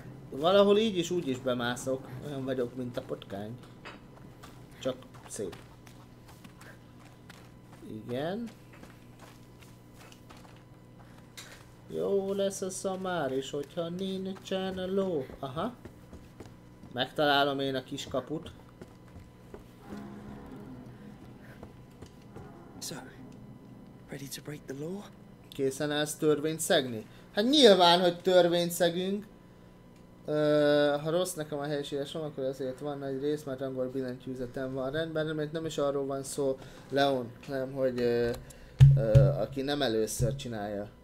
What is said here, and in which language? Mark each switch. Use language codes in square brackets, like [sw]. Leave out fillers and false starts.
[hu] Valahol így is úgy is bemászok, olyan vagyok, mint a potkány. Csak szép. Igen. Jó lesz a szamár is, hogyha nincsen ló. Aha. Megtalálom én a kis kaput. [en] So, ready to break the law? [hu] Készen állsz törvényt szegni? Hát nyilván, hogy törvényt szegünk. Ha rossz nekem a helyiségesem, akkor azért van nagy rész, mert angol billentyűzetem van rendben, mert nem is arról van szó, Leon, hanem hogy aki nem először csinálja.